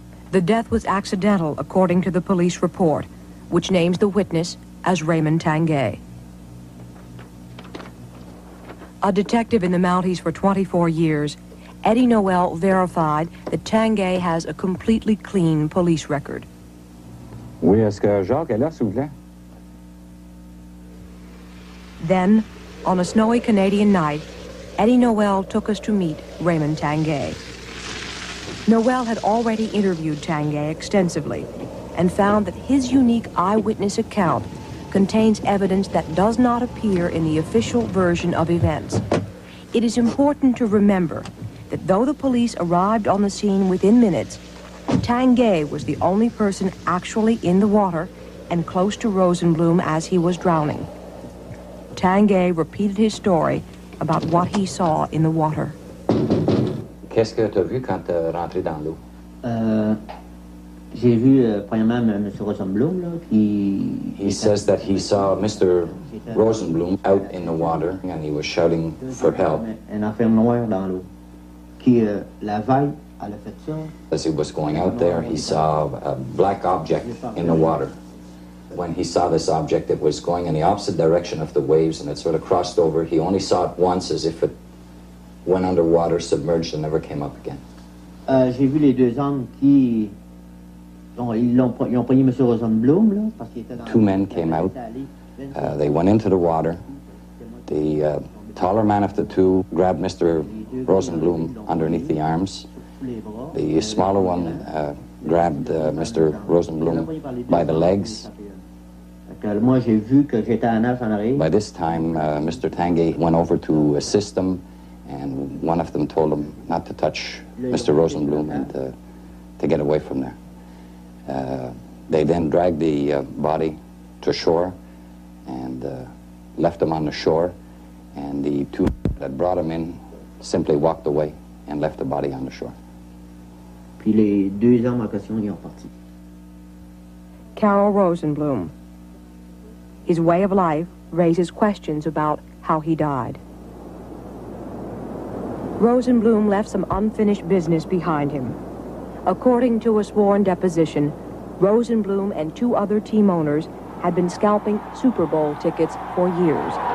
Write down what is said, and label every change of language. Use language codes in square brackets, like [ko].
[en] The death was accidental, according to the police report, which names the witness as Raymond Tanguay. A detective in the Mounties for 24 years, Eddie Noel verified that Tanguay has a completely clean police record. [fr] Oui, est-ce que Jacques est là, s'il vous plaît? [en] Then, on a snowy Canadian night, Eddie Noel took us to meet Raymond Tanguay. Noel had already interviewed Tanguay extensively and found that his unique eyewitness account contains evidence that does not appear in the official version of events. It is important to remember that though the police arrived on the scene within minutes, Tanguay was the only person actually in the water and close to Rosenblum as he was drowning. Tanguay repeated his story about what he saw in the water. [fr] Qu'est-ce que t'as vu quand t'es rentré dans l'eau? J'ai vu premièrement Monsieur Rosenblum là. [en] He says that he saw Mr. Rosenblum out in the water and he was shouting for help. [fr] Un enfant noir dans l'eau. Qui la veille à la fiction. [en] As he was going out there, he saw a black object in the water. When he saw this object, it was going in the opposite direction of the waves and it sort of crossed over. He only saw it once as if it went underwater, submerged, and never came up again. [fr] J'ai vu les deux hommes qui... ils ont pogné Monsieur Rosenblum, là, parce qu'il était dans... [en] Two men came out. They went into the water. The taller man of the two grabbed Mr. Rosenblum underneath the arms. The smaller one grabbed Mr. Rosenblum by the legs. By this time, Mr. Tanguay went over to assist them, and one of them told him not to touch Mr. Rosenblum and to get away from there. They then dragged the body to shore and left him on the shore, and the two that brought him in simply walked away and left the body on the shore. [fr] Puis les deux hommes en question, ils ont parti. [en] Carol Rosenblum. His way of life raises questions about how he died. Rosenblum left some unfinished business behind him. According to a sworn deposition, Rosenblum and two other team owners had been scalping Super Bowl tickets for years.